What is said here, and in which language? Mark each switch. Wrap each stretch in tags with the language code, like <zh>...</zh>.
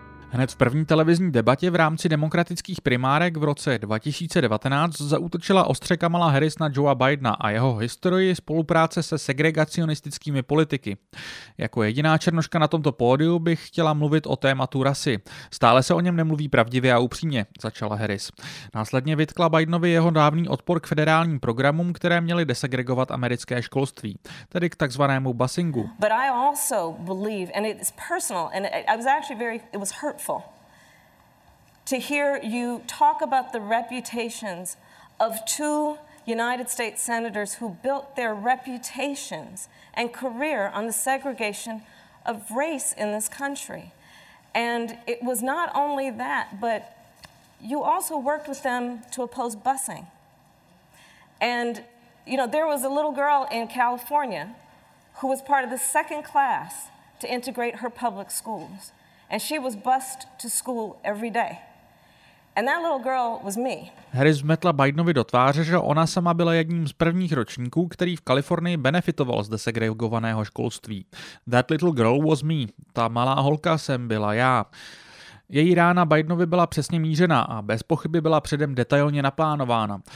<cs>Hned v první televizní debatě v rámci demokratických primárek v roce 2019 zaútočila ostře Kamala Harris na Joea Bidena a jeho historii spolupráce se segregacionistickými politiky. Jako jediná černoška na tomto pódiu bych chtěla mluvit o tématu rasy. Stále se o něm nemluví pravdivě a upřímně, začala Harris. Následně vytkla Bidenovi jeho dávný odpor k federálním programům, které měly desegregovat americké školství, tedy k takzvanému busingu.</cs> <en>But I also believe, and it's personal, and I was actually very, it was hurt. To hear you talk about the reputations of 2 United States senators who built their reputations and career on the segregation of race in this country. And it was not only that, but you also worked with them to oppose busing. And, you know, there was a little girl in California who was part of the second class to integrate her public schools. And she was bused to school every day. And that little girl was me.</en> <cs>Harris vmetla Bidenovi do tváře, že ona sama byla jedním z prvních ročníků, který v Kalifornii benefitoval z desegregovaného školství.</cs> <en>That little girl was me.</en> <cs>Ta malá holka jsem byla já. Její rána Bidenovi byla přesně mířena a bez pochyby byla předem detailně naplánována.</cs>